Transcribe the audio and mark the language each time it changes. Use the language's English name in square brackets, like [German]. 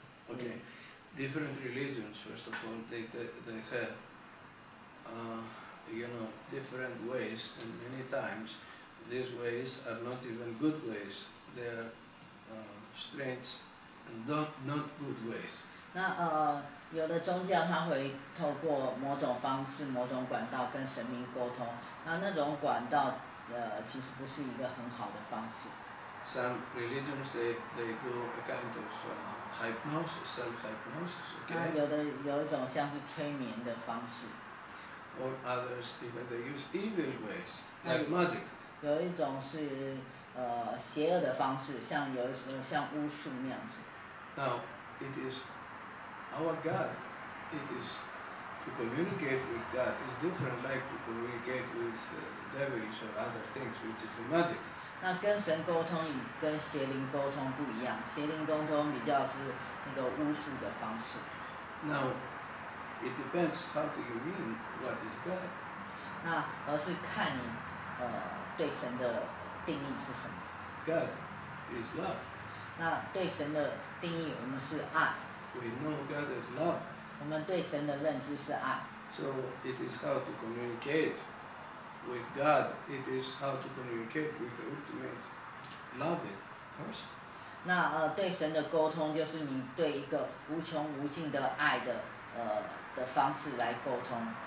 [English] Okay, different religions. First of all, they have. You know, different ways, and many times these ways are not even good ways. They are strange and not good ways. [Chinese] 那有的宗教它会透过某种方式、某种管道跟神明沟通，那那种管道其实不是一个很好的方式。 [English] Some religions they do a kind of hypnosis, self-hypnosis. Okay. [Chinese] 有一种像是催眠的方式。 [English] Or others, even they use evil ways, like magic. [Chinese] 有一种是邪恶的方式，像有一种像巫术那样子。 [English] Now, it is our God. It is to communicate with God is different, like to communicate with devils or other things, which is magic. [Chinese] 那跟神沟通与跟邪灵沟通不一样，邪灵沟通比较是那个巫术的方式。 [English] Now. It depends how do you mean what is God. [Chinese] 那而是看你对神的定义是什么。 [English] God is love. [Chinese] 那对神的定义我们是爱。 [English] We know God is love. [Chinese] 我们对神的认知是爱。 [English] So it is how to communicate with God. It is how to communicate with the ultimate loving person. [Chinese] 那对神的沟通就是你对一个无穷无尽的爱的的方式来沟通。